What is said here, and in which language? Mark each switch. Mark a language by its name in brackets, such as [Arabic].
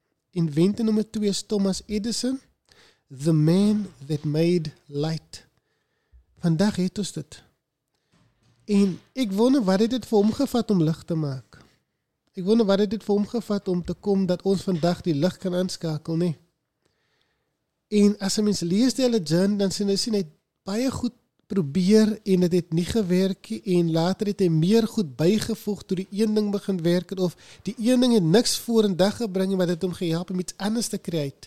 [English] Inventor [Afrikaans] nummer [English] 2 is Thomas Edison, the man that made light. [Afrikaans] Vandag het ons dit. En ek wonder wat het vir hom gevat om lig te maak. Ek wonder wat het dit vir hom gevat om te kom dat ons vandag die lig kan aanskakel, nie? En as een mens lees die hele journey, dan sien hy baie goed probeer en het het nie gewerk en later het hy meer goed bygevoeg toe die een ding begin werk het, of die een ding het niks voor een dag gebring wat het hom gehelp om iets anders te kry.